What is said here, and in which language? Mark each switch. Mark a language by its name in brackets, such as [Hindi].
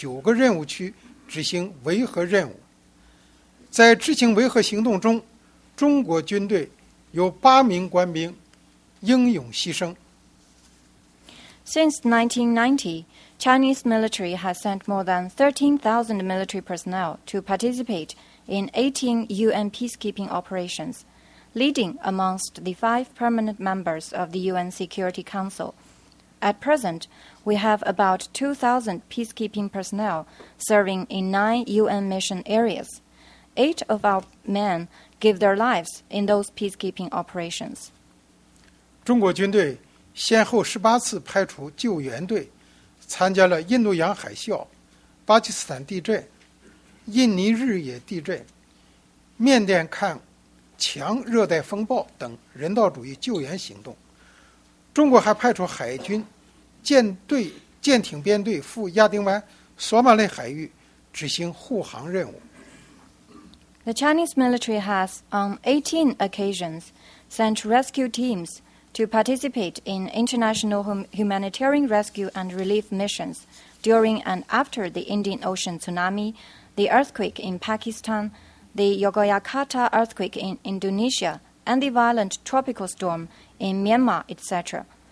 [Chinese] 目前仍有近2000名官兵在联合国9个任务区执行维和任务。在执行维和行动中, 中国军队有8名官兵英勇牺牲。 [English] Since 1990, Chinese military has sent more than 13,000 military personnel to participate in 18 UN peacekeeping operations, leading amongst the 5 permanent members of the UN Security Council. At present, we have about 2,000 peacekeeping personnel serving in 9 UN mission areas. 8 of our men give their lives in those peacekeeping operations. [Chinese] 中国军队 先后18次派出救援队, 参加了印度洋海啸, 巴基斯坦地震, 印尼日野地震, 缅甸抗强热带风暴等人道主义救援行动。中国还派出海军, 舰队, 舰艇编队赴亚丁湾索马内海域执行护航任务。 [English] The Chinese military has, on 18 occasions, sent rescue teams to participate in international humanitarian rescue and relief missions during and after the Indian Ocean tsunami, the earthquake in Pakistan, the Yogyakarta earthquake in Indonesia, and the violent tropical storm in Myanmar, etc.